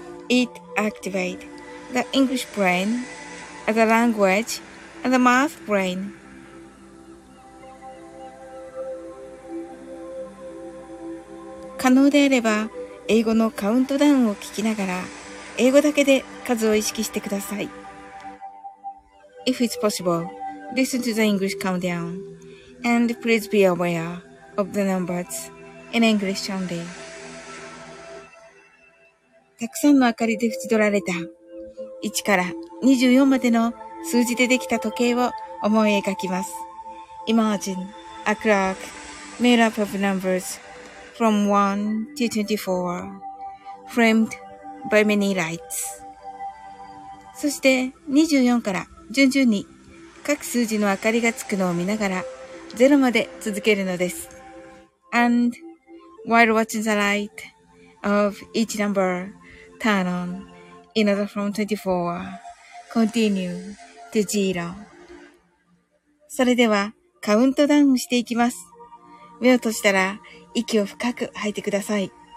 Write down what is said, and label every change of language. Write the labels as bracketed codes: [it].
[en] It activate the English brain as a language and the math brain。 [ja] 可能であれば、英語のカウントダウンを聞きながら、英語だけで数を意識してください。 [en] If it's possible, listen to the English countdown. And please be aware of the numbers in English only. [ja] たくさんの明かりで縁取られた、1から24までの数字でできた時計を思い描きます。 [en] Imagine a clock made up of numbers. From 1 to 24, framed by many lights. [ja] そして24から順々に各数字の明かりがつくのを見ながら0まで続けるのです。 [en] And while watching the light of each number turn on in order from 24, continue to 0. [ja] それではカウントダウンしていきます。目を閉じたら息を深く吐いてください。